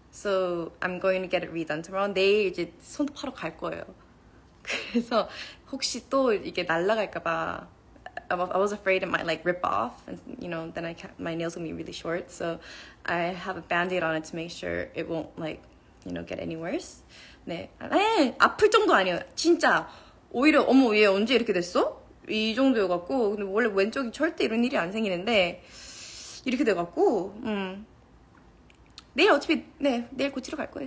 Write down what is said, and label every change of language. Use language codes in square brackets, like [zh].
[en] So I'm going to get it redone tomorrow. [ko] 내일 이제 손톱 하러 갈 거예요. 그래서 혹시 또 이게 날아갈까 봐 [en] I was afraid it might like rip off, and you know, then my nails would be really short. So I have a band-aid on it to make sure it won't like, you know, get any worse. [ko] 네, 에이, 아플 정도 아니에요. 진짜 오히려 어머 얘 언제 이렇게 됐어? 이 정도여갖고 근데 원래 왼쪽이 절대 이런 일이 안 생기는데 이렇게 돼갖고 내일 어차피 네 내일 고치러 갈 거예요.